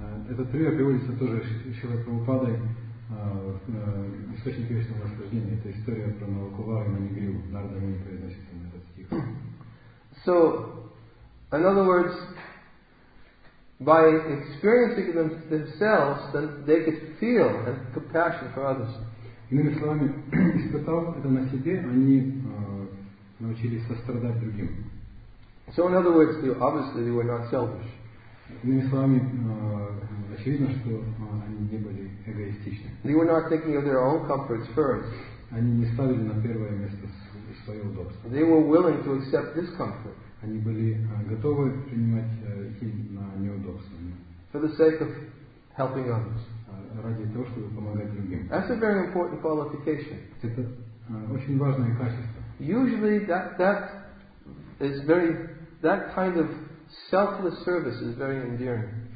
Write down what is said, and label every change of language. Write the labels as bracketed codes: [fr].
[ru] Этот пример приводится тоже Шрила Прабхупадой в источнике вечного наслаждения. Это история про Налакувару и Манигриву. Нарада Муни произносит там этот стих. [en] So, in other words, by experiencing them themselves, then they could feel and compassion for others. [ru] Иными словами, испытав это на себе, они научились сострадать другим. [en] So in other words, obviously they were not selfish. [ru] Иными словами, очевидно, что они не были эгоистичны. [en] They were not thinking of their own comforts first. [ru] Они не ставили на первое место свое удобство. [en] They were willing to accept discomfort. [ru] Они были готовы принимать на неудобства. [en] For the sake of helping others. [ru] Ради того, чтобы помогать другим. [en] That's a very important qualification. [ru] Это очень важное качество. [en] Usually that is very, that kind of selfless service is very endearing.